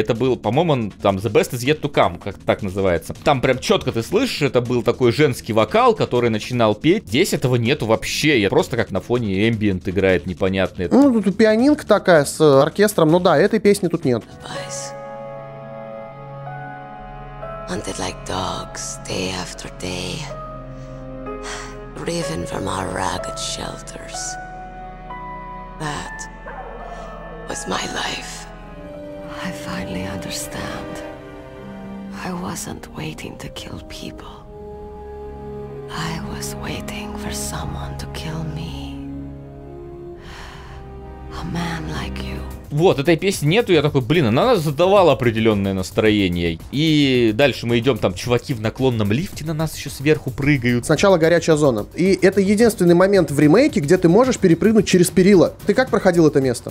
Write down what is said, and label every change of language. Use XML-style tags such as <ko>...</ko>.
<ru>Это был, по-моему, он, там, The Best is Yet to Кам, как так называется. Там прям четко ты слышишь, это был такой женский вокал, который начинал петь. Здесь этого нету вообще. Я просто как на фоне эмбиент играет непонятный. Ну, тут пианинка такая с оркестром, но да, этой песни тут нет.</ru> <en>Hunted like dogs, day after day. Riven from our ragged shelters. That was my life. I finally understand. I wasn't waiting to kill people. I was waiting for someone to kill me. A man like you.</en> <ru>Вот, этой песни нету, я такой, блин, она задавала определенное настроение. И дальше мы идем, там, чуваки в наклонном лифте на нас еще сверху прыгают. Сначала горячая зона. И это единственный момент в ремейке, где ты можешь перепрыгнуть через перила. Ты как проходил это место?</ru>